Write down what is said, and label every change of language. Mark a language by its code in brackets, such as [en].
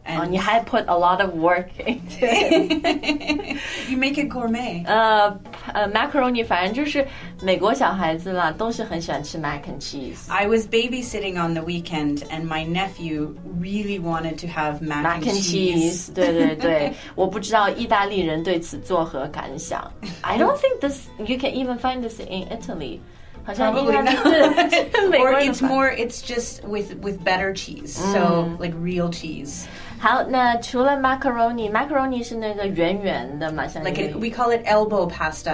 [en] you had put a lot of work into it. You make it gourmet. [zh] Macaroni, 反正就是美国小孩子啦，都是很喜欢吃 [en] mac and cheese. I was babysitting on the weekend, and my nephew really wanted to have mac and cheese. [zh] 对对对，我不知道意大利人对此作何感想。 [en] I don't think this, you can even find this in Italy. Probably not. Or it's more, it's just with better cheese. So,、like real cheese. [zh] 好那除了 macaroni, macaroni 是那个圆圆的嘛 [en] we call it elbow pasta.